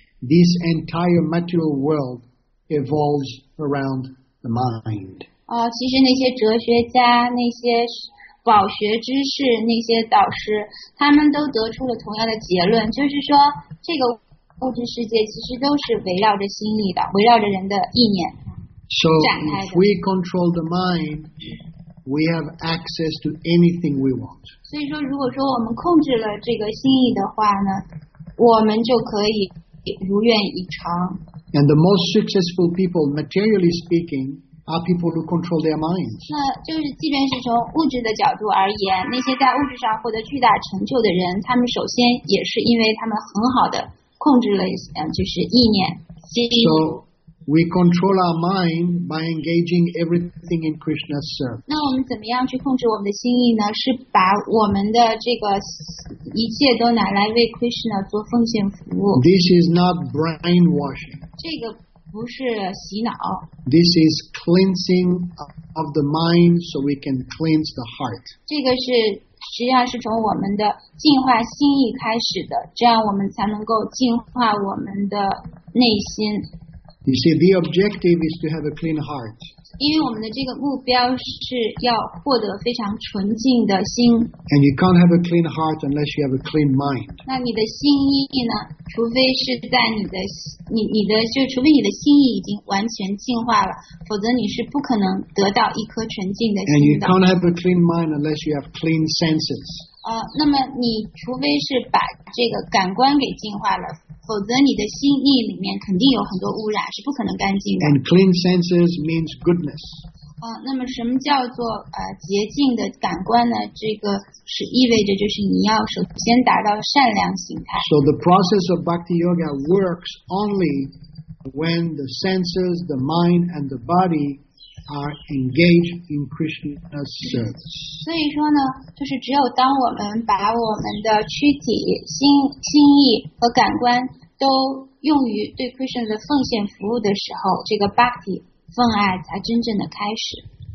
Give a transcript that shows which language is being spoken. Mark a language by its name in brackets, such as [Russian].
[English] This entire material world evolves around the mind. [Chinese] 其实那些哲学家、那些饱学之士、那些导师，他们都得出了同样的结论，就是说，这个物质世界其实都是围绕着心意的，围绕着人的意念。 [English] So if we control the mind, we have access to anything we want. [Chinese] 所以说，如果说我们控制了这个心意的话呢，我们就可以如愿以偿。 [English] And the most successful people, materially speaking, are people who control their minds. [Chinese] 那就是，即便是从物质的角度而言，那些在物质上获得巨大成就的人，他们首先也是因为他们很好的控制了，就是意念、心意。 [English] So,We control our mind by engaging everything in Krishna's service. [Chinese] 那我们怎么样去控制我们的心意呢？是把我们的这个一切都拿来为 Krishna 做奉献服务。 [English] This is not brainwashing. [Chinese] 这个不是洗脑。 [English] This is cleansing of the mind so we can cleanse the heart. [Chinese] 这个是实际上是从我们的净化心意开始的，这样我们才能够净化我们的内心。 [English] You see, the objective is to have a clean heart. [Chinese] 因为我们的这个目标是要获得非常纯净的心。 [English] And you can't have a clean heart unless you have a clean mind. [Chinese] 那你的心意呢？除非是在你的，就除非你的心意已经完全净化了，否则你是不可能得到一颗纯净的心的。 [English] And you can't have a clean mind unless you have clean senses. [Chinese] 那么你除非是把这个感官给净化了。否则你的心意里面肯定有很多污染，是不可能干净的。 [English] And clean senses means goodness. [Chinese] 那么什么叫做洁净的感官呢？这个是意味着就是你要首先达到善良心态。 [English] So the process of bhakti yoga works only when the senses, the mind, and the body are engaged in Krishna's service. [Chinese] 所以说呢，就是只有当我们把我们的躯体、心意和感官都用于对 Krishna 的奉献服务的时候，这个 bhakti 奉爱才真正的开始。